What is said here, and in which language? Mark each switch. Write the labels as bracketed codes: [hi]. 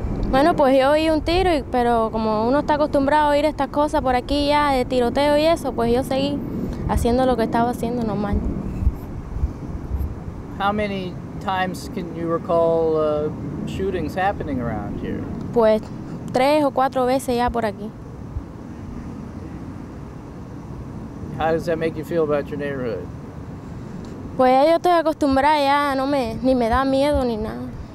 [es] Bueno, pues yo oí un tiro, pero como uno está acostumbrado a oír estas cosas por aquí ya de tiroteo y eso, pues yo seguí haciendo lo que estaba haciendo normal. [en] How many times can you recall shootings happening around here? [es] Pues, tres o cuatro veces ya por aquí. [en] How does that make you feel about your neighborhood? [es] Pues, yo estoy acostumbrada ya, no me, ni me da miedo ni nada.